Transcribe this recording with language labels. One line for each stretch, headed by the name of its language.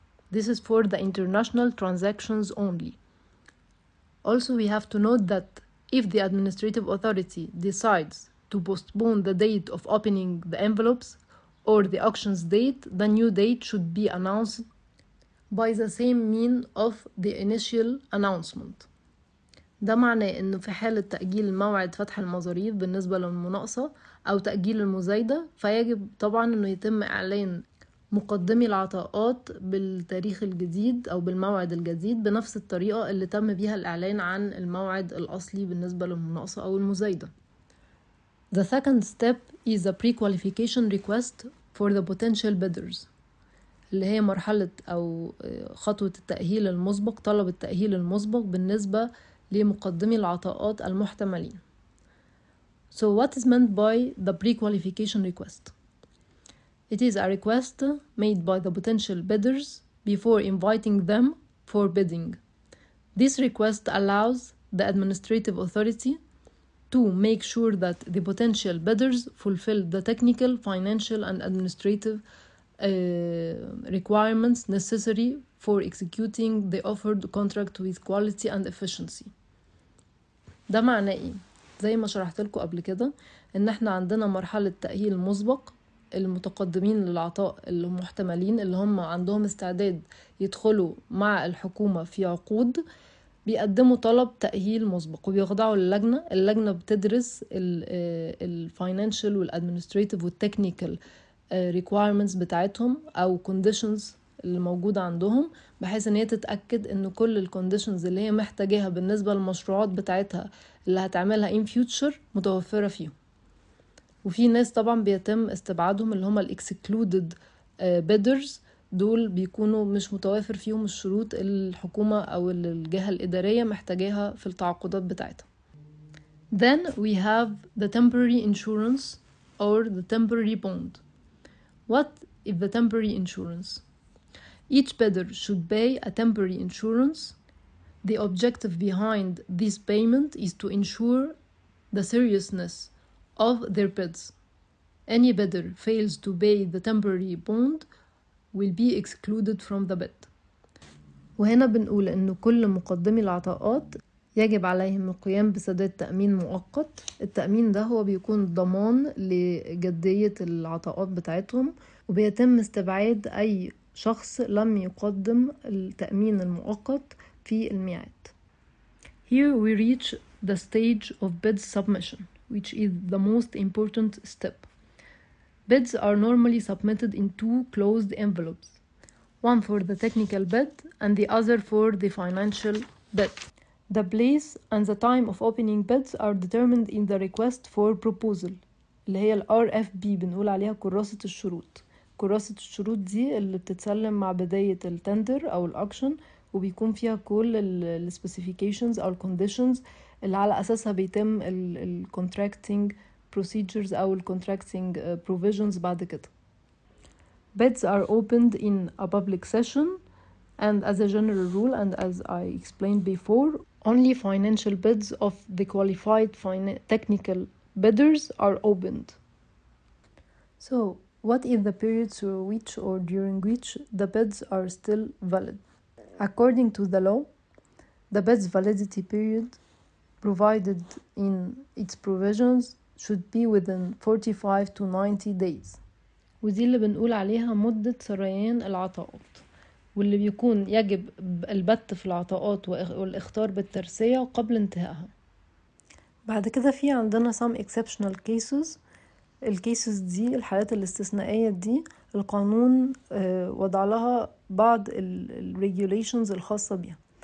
English: This is for the international transactions only. Also, we have to note that if the administrative authority decides to postpone the date of opening the envelopes or the auctions date, the new date should be announced by the same mean of the initial announcement.
Arabic: ده معناه انه في حالة تأجيل موعد فتح المظاريف بالنسبة للمناقصة او تأجيل المزايدة فيجب طبعا انه يتم اعلان مقدمي العطاءات بالتاريخ الجديد او بالموعد الجديد بنفس الطريقة اللي تم بيها الاعلان عن الموعد الاصلي بالنسبة للمناقصة او المزايدة.
English: The second step is a pre-qualification request for the potential bidders,
Arabic: اللي هي مرحلة أو خطوة التأهيل المسبق, طلب التأهيل المسبق بالنسبة لمقدمي العطاءات المحتملين.
English: So what is meant by the pre-qualification request? It is a request made by the potential bidders before inviting them for bidding. This request allows the administrative authority to make sure that the potential bidders fulfill the technical, financial and administrative requirements necessary for executing the offered contract with quality and efficiency.
Arabic: ده معناه ايه؟ زي ما شرحت لكم قبل كده ان احنا عندنا مرحلة تأهيل مسبق المتقدمين للعطاء المحتملين اللي هم عندهم استعداد يدخلوا مع الحكومة في عقود بيقدموا طلب تأهيل مسبق وبيخضعوا للجنة. اللجنة بتدرس الفاينانشال والادمنستريتيف والتكنيكال requirements بتاعتهم أو conditions اللي موجودة عندهم بحيث أن هي تتأكد أن كل الconditions اللي هي محتاجها بالنسبة للمشروعات بتاعتها اللي هتعملها
English: in future
Arabic: متوفرة فيهم. وفي ناس طبعا بيتم استبعادهم اللي هم ال
English: excluded bidders,
Arabic: دول بيكونوا مش متوفر فيهم الشروط الحكومة أو الجهة الإدارية محتاجها في التعاقدات بتاعتها.
English: Then we have the temporary insurance or the temporary bond. What is the temporary insurance? Each bidder should pay a temporary insurance. The objective behind this payment is to ensure the seriousness of their bids. Any bidder fails to pay the temporary bond will be excluded from the bid.
Arabic: وهنا بنقول ان كل مقدمي العطاءات يجب عليهم القيام بسداد تأمين مؤقت. التأمين ده هو بيكون ضمان لجدية العطاءات بتاعتهم، وبيتم استبعاد أي شخص لم يقدم التأمين المؤقت في الميعاد.
English: Here we reach the stage of bid submission, which is the most important step. Bids are normally submitted in two closed envelopes, one for the technical bid and the other for the financial bid. The place and the time of opening bids are determined in the request for proposal,
Arabic: اللي هي ال RFB بنقول عليها كراسة الشروط. كراسة الشروط دي اللي بتتسلم مع بداية التندر أو الأوكشن، وبيكون فيها كل ال specifications أو conditions اللي على أساسها بيتم ال
English: contracting procedures
Arabic: أو ال
English: contracting provisions
Arabic: بعد كده.
English: Bids are opened in a public session, and as a general rule and as I explained before, only financial bids of the qualified technical bidders are opened. So, what is the period through which or during which the bids are still valid? According to the law, the bid's validity period provided in its provisions should be within 45 to 90 days.
Arabic: ودي اللي بنقول عليها مدة سريان العطاءات، واللي بيكون يجب البت في العطاءات والاختيار بالترسية قبل انتهائها. بعد كده في عندنا
English: some exceptional cases.
Arabic: الكيسز دي، الحالات الاستثنائية دي، القانون وضع لها بعض الregulations الخاصة بها.